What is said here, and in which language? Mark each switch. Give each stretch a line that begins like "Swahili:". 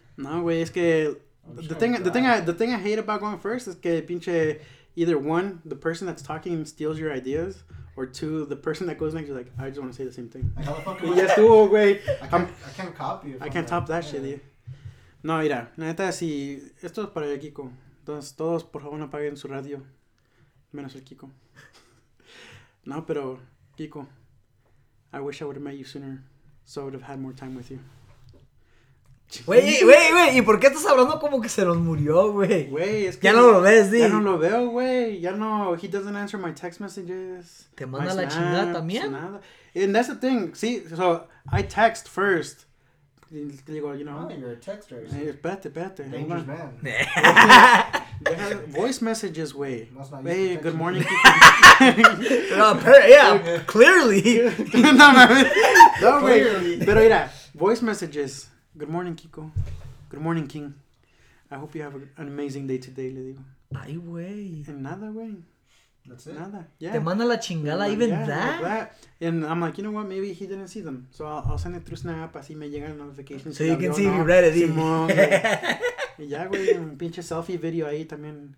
Spanish: No, güey, es que
English: the thing I hate about going first is
Spanish: que pinche
English: either one, the person that's talking steals your ideas, or two, the person that goes next is like, I just want to say the same thing. Like, how the fuck yes, güey. I can't copy it. I can't top that shit, dude.
Spanish: No, mira, neta, si esto es para el Kiko, entonces todos por favor apaguen su radio, menos el Kiko. No, pero
English: Kiko, I wish I would have met you sooner, so I would have had more time with you.
Spanish: Wey, ¿y por qué estás hablando como que se nos murió, güey? Wey, es que ya no lo ves, di. Ya no lo veo, güey. Ya no,
English: he doesn't answer my text messages.
Spanish: Te manda la chingada también.
English: Nada. And that's the thing. See, so I text first.
Spanish: Te digo,
English: you know. Oh, you're a texter.
Spanish: Espérate.
English: Dangerous man. Voice messages, güey. Hey, good morning. yeah, clearly.
Spanish: No, güey. Pero mira,
English: voice messages. Good morning, Kiko. Good morning, King. I hope you have an amazing day today,
Spanish: le digo. Ay, güey.
English: And nada, güey. That's it? Nada, yeah.
Spanish: Te manda la chingada,
English: even that? And I'm like, you know what? Maybe he didn't see them. So I'll send it through Snap,
Spanish: así me llegan
English: notifications. So you can see if you read it,
Spanish: y ya, güey, un pinche selfie video ahí también.